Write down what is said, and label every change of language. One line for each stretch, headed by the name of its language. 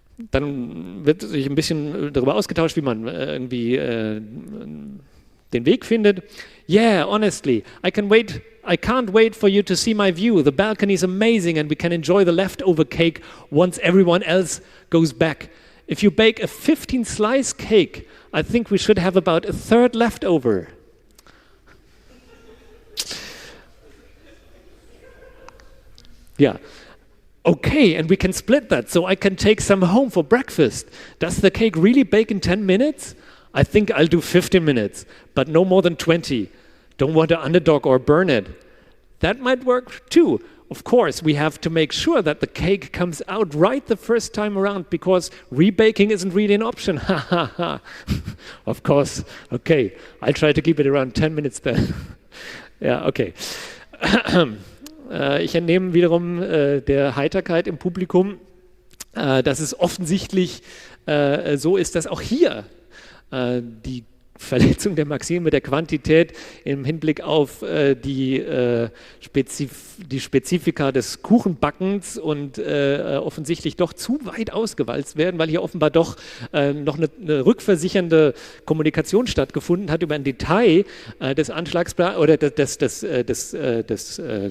German: Dann wird sich ein bisschen darüber ausgetauscht, wie man irgendwie den Weg findet.
English: Yeah, honestly, I can't wait for you to see my view. The balcony is amazing and we can enjoy the leftover cake once everyone else goes back. If you bake a 15-slice cake, I think we should have about a third leftover. Yeah. Okay, and we can split that, so I can take some home for breakfast. Does the cake really bake in 10 minutes? I think I'll do 15 minutes, but no more than 20. Don't want to underdog or burn it. That might work too. Of course, we have to make sure that the cake comes out right the first time around, because rebaking isn't really an option. Ha ha ha. Of course. Okay, I'll try to keep it around 10 minutes then.
German: Ja, okay. Ich entnehme wiederum der Heiterkeit im Publikum, dass es offensichtlich so ist, dass auch hier die Verletzung der Maxime der Quantität im Hinblick auf die Spezifika des Kuchenbackens und offensichtlich doch zu weit ausgewalzt werden, weil hier offenbar doch noch eine rückversichernde Kommunikation stattgefunden hat über ein Detail des Anschlagsplans oder des